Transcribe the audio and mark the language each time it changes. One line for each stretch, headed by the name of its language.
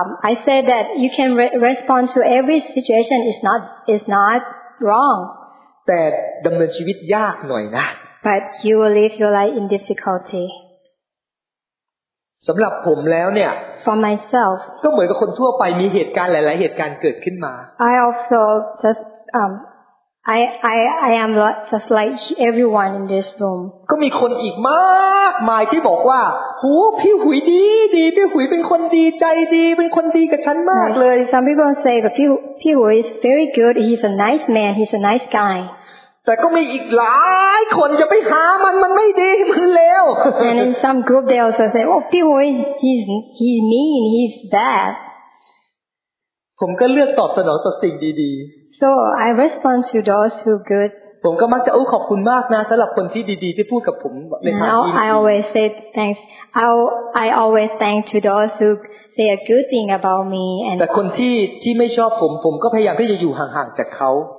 English: I said that you can respond to every situation is not wrong
Thai: แต่ดำเนินชีวิตยากหน่อยนะ
English: But you will live your life in difficulty
Thai: สำหรับผมแล้วเนี่ย
English: For myself
Thai: ก็เหมือนกับคนทั่วไปมีเหตุการณ์หลายๆเหตุการณ์เกิดขึ้นมา
English: I also just I am just like everyone in this room
Thai: ก็มีคนอีกมากมายที่บอกว่าหูพี่หุยดีพี่หุยเป็นคนดีใจดีเป็นคนดีกับฉันมากเลย
English: Some people say that พี่หุย is very good he's a nice man he's a nice guy
Thai: แต่ก็มีอีกหลายคนจะไปหามันไม่ดีมันเลว
English: And in some group they also say oh พี่หุย he's mean he's bad
Thai: ผมก็เลือกตอบสนองต่อสิ่งดี
English: ๆ So I respond to those who good
Thai: ผมก็มักจะโอ้ขอบคุณมากนะสำหรับคนที่ดีๆที่พูดกับผมในทางดี
English: Now I always say thanks I always thank to those who say a good thing about me and
Thai: แต่คนที่ไม่ชอบผมก็พยายามที่จะอยู่ห่างๆจากเขา